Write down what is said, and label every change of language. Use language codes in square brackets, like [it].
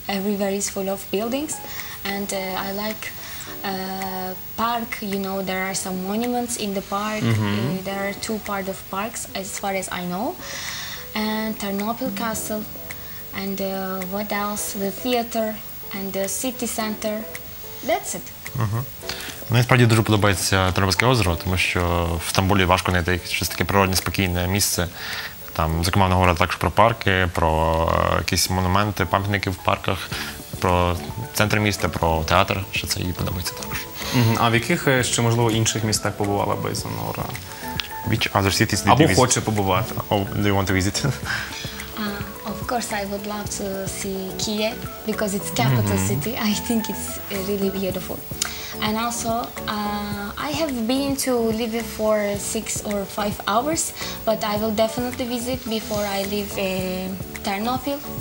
[en] Everywhere is full of buildings, and I like park. You know, there are some monuments in the park. Mm-hmm. There are two part of parks, as far as I know, and Ternopil Castle, and what else? The theater and the city center. That's it. [uk] Мені справді дуже подобається Тернопільське озеро, тому що в Стамбулі важко знайти щось таке природне, спокійне місце. Там, зокрема, вона говорить також про парки, про якісь монументи, пам'ятники в парках, про центр міста, про театр, що це їй подобається також. А в яких ще, можливо, інших містах побувала би Ізонора? [en] Which other cities did you visit? [uk] Або хоче побувати. [en] Oh, do you want to visit? Of course, I would love to see Kiev because it's capital mm-hmm. city. I think it's really beautiful. And also, I have been to Lviv for 6 or 5 hours, but I will definitely visit before I leave Ternopil.